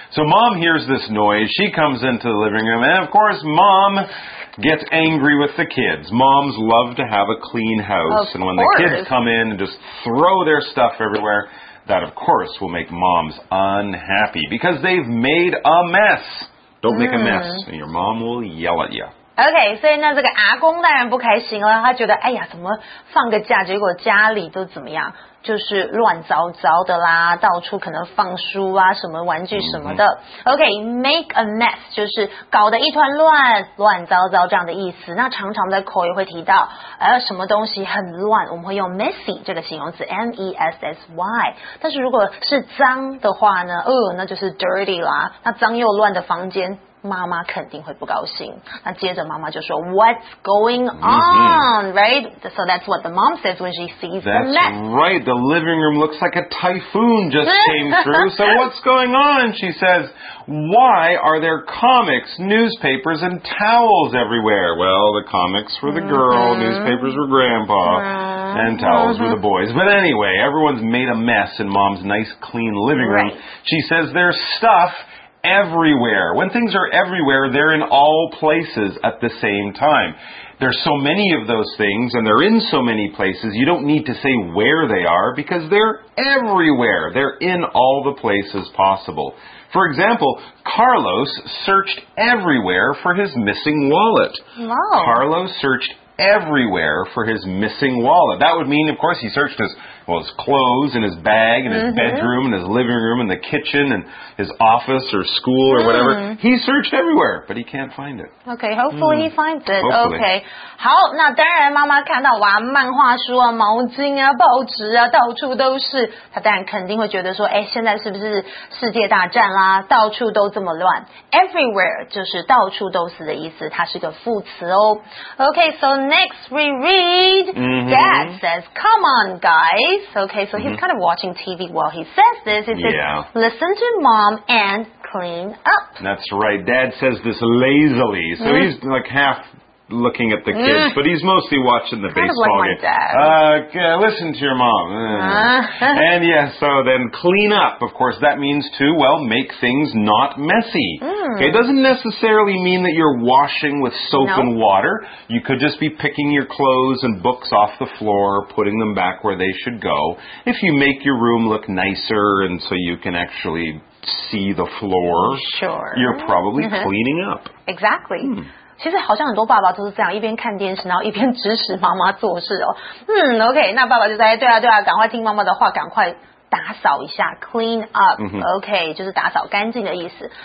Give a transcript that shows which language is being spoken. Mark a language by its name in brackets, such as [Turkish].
[English] So Mom hears this noise. She comes into the living room. And, of course, Mom gets angry with the kids. Moms love to have a clean house. And when the kids come in and just throw their stuff everywhere, that, of course, will make moms unhappy. Because they've made a mess. Don't make a mess. And your mom will yell at you. [Chinese] OK, 所以那这个阿公当然不开心了，他觉得哎呀，怎么放个假，结果家里都怎么样，就是乱糟糟的啦，到处可能放书啊，什么玩具什么的。 OK, make a mess, 就是搞得一团乱，乱糟糟这样的意思。那常常在口语会提到什么东西很乱，我们会用 messy 这个形容词 M-E-S-S-Y。但是如果是脏的话呢，那就是 dirty 啦，那脏又乱的房间妈妈肯定会不高兴。那接着妈妈就说 [English] What's going on?、Mm-hmm. Right? So that's what the mom says when she sees the mess. That's right. The living room looks like a typhoon just came through. So what's going on? She says, why are there comics, newspapers, and towels everywhere? Well, the comics were the girl, newspapers were grandpa, and towels were the boys. But anyway, everyone's made a mess in mom's nice clean living room. Right. She says there's stuff everywhere. When things are everywhere, they're in all places at the same time. There's so many of those things, and they're in so many places, you don't need to say where they are, because they're everywhere. They're in all the places possible. For example, Carlos searched everywhere for his missing wallet. Wow. Carlos searched everywhere for his missing wallet. That would mean, of course, he searched his clothes and his bag and his bedroom and his living room and the kitchen and his office or school or whatever. He searched everywhere, but he can't find it. Okay, hopefully he finds it. Hopefully. Okay. [Chinese] 好，那当然妈妈看到哇，漫画书啊，毛巾啊，报纸啊，到处都是，她当然肯定会觉得说，哎，现在是不是世界大战啦，到处都这么乱。 Everywhere 就是到处都是的意思，它是个副词哦。 [English] Okay, so next we read, Dad says, come on, guys. Okay, so he's kind of watching TV while he says this. He says, listen to mom and clean up. That's right. Dad says this lazily. So he's like half looking at the kids, but he's mostly watching the baseball game. Kind of like my dad. Listen to your mom. And yeah, so then clean up. Of course, that means to, well, make things not messy. Okay, it doesn't necessarily mean that you're washing with soap and water. You could just be picking your clothes and books off the floor, putting them back where they should go. If you make your room look nicer and so you can actually see the floor, you're probably cleaning up. Exactly. [Chinese] 其实好像很多爸爸都是这样，一边看电视，然后一边指使妈妈做事哦。 OK， 那爸爸就在对啊对啊，赶快听妈妈的话，赶快打扫一下 ，clean up。 OK， 就是打扫干净的意思。